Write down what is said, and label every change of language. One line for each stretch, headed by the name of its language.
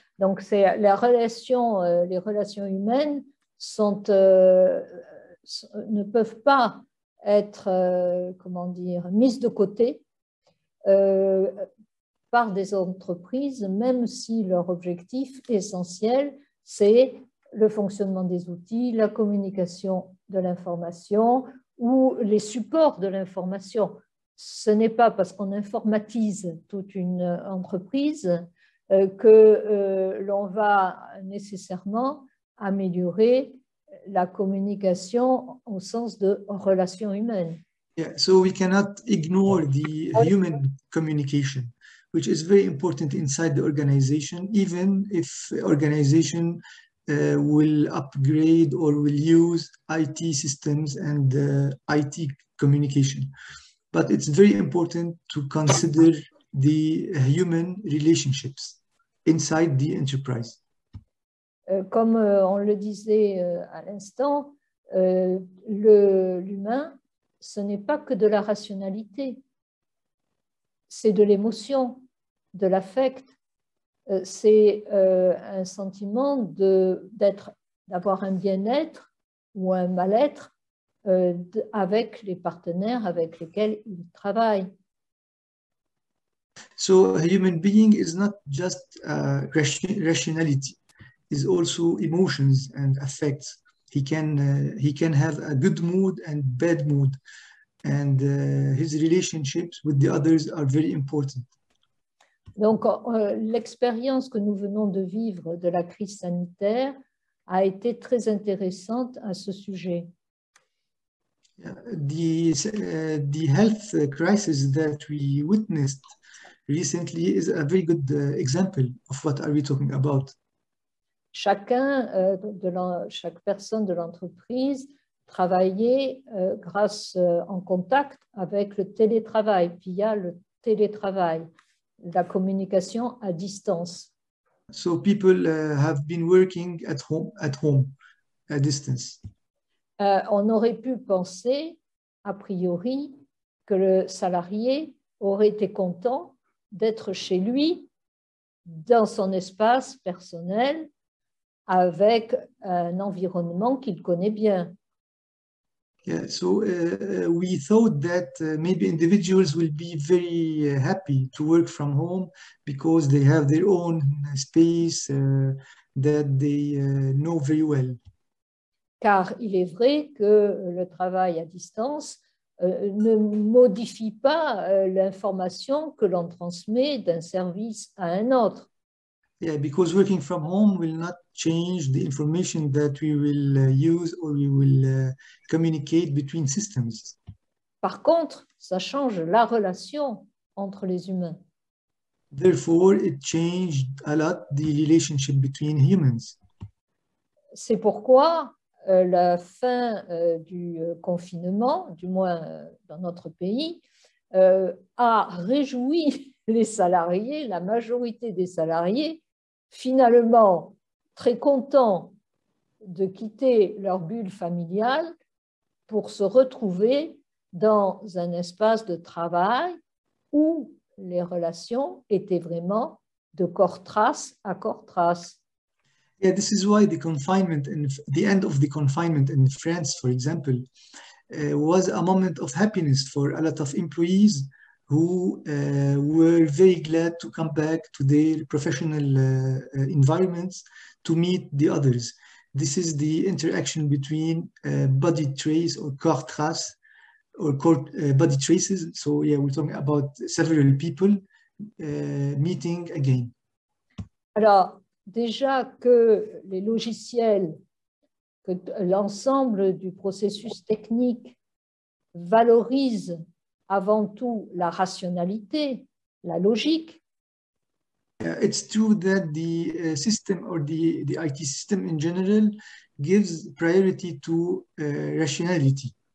French: Donc c'est les relations humaines sont ne peuvent pas être mises de côté par des entreprises, même si leur objectif essentiel, c'est le fonctionnement des outils, la communication de l'information ou les supports de l'information. Ce n'est pas parce qu'on informatise toute une entreprise l'on va nécessairement améliorer la communication au sens de relations humaines.
English: Yeah, so we cannot ignore the human communication, which is very important inside the organization, even if organization will upgrade or will use IT systems and IT communication. But it's very important to consider the human relationships inside the enterprise.
French: Comme on le disait à l'instant, l'humain, ce n'est pas que de la rationalité, c'est de l'émotion, de l'affect, c'est un sentiment d'avoir un bien-être ou un mal-être avec les partenaires avec lesquels ils travaillent.
English: So a human being is not just rationality, is also emotions and affects. He can have a good mood and bad mood, and his relationships with the others are very important.
French: Donc, l'expérience que nous venons de vivre de la crise sanitaire a été très intéressante à ce sujet.
English: The health crisis that we witnessed recently is a very good example of what are we talking about.
French: Chaque personne de l'entreprise travaillait en contact avec le télétravail, via le télétravail. La communication à distance.
English: So people have been working at home, at distance.
French: On aurait pu penser, a priori, que le salarié aurait été content d'être chez lui, dans son espace personnel, avec un environnement qu'il connaît bien.
English: Yeah, so we thought that maybe individuals will be very happy to work from home because they have their own space that they know very well.
French: Car il est vrai que le travail à distance ne modifie pas l'information que l'on transmet d'un service à un autre.
English: Yeah, because working from home will not change the information that we will use or we will communicate between systems.
French: Par contre, ça change la relation entre les humains.
English: Therefore, it changed a lot the relationship between humans.
French: C'est pourquoi la fin du confinement, du moins dans notre pays, a réjoui les salariés, la majorité des salariés, finalement très contents de quitter leur bulle familiale pour se retrouver dans un espace de travail où les relations étaient vraiment de corps-trace à corps-trace.
English: Yeah, this is why the confinement and the end of the confinement in France, for example, was a moment of happiness for a lot of employees who were very glad to come back to their professional environments to meet the others. This is the interaction between body trace or corps trace or corps, body traces. So yeah, we're talking about several people meeting again.
French: Alors, déjà que les logiciels, que l'ensemble du processus technique valorise avant tout la rationalité, la logique.
English: It's true that the system or the IT system in general gives priority to rationality.